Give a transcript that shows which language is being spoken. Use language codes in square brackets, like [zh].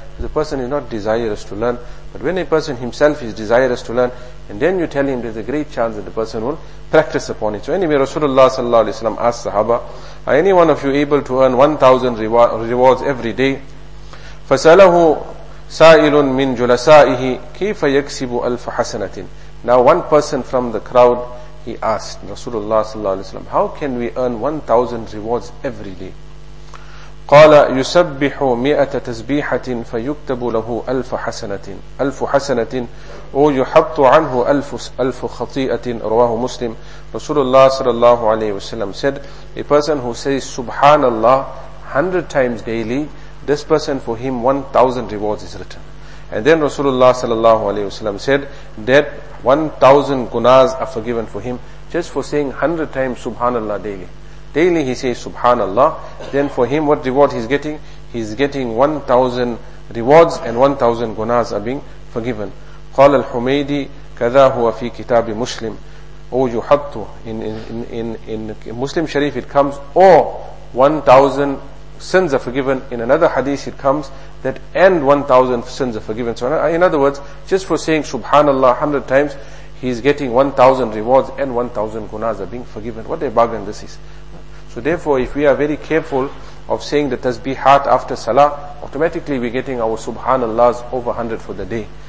[en] The person is not desirous to learn. But when a person himself is desirous to learn, and then you tell him, there's a great chance that the person will practice upon it. So anyway, Rasulullah sallallahu alayhi wa sallam asked Sahaba, are any one of you able to earn 1,000 rewards every day? [ar] فَسَأَلَهُ سَائِلٌ مِّن جُلَسَائِهِ كَيْفَ يَكْسِبُ أَلْفَ حَسَنَةٍ. [en] Now one person from the crowd, he asked Rasulullah sallallahu alayhi wa sallam, how can we earn 1,000 rewards every day? [ar] قال يسبح مئة تسبيحة فيكتب له ألف حسنة ألف حسنة ويحط عنه ألف ألف خطيئة رواه مسلم. [en] رسول الله صلى الله عليه وسلم said, a person who says سبحان الله 100 times daily, this person, for him 1,000 rewards is written. And then رسول الله صلى الله عليه وسلم said that 1,000 gunas are forgiven for him just for saying 100 times سبحان الله daily. Daily he says Subhanallah, then for him what reward he's getting? He's getting 1,000 rewards and 1,000 gunas are being forgiven. [ar] قال الحميدي كذا هو في كتاب مسلم أو يحط [en] in Muslim Sharif it comes, or 1,000 sins are forgiven. In another hadith it comes that and 1,000 sins are forgiven. So in other words, just for saying Subhanallah 100 times, he's getting 1,000 rewards and 1,000 gunas are being forgiven. What a bargain this is. So therefore, if we are very careful of saying the tasbihat after salah, automatically we're getting our subhanallahs over 100 for the day.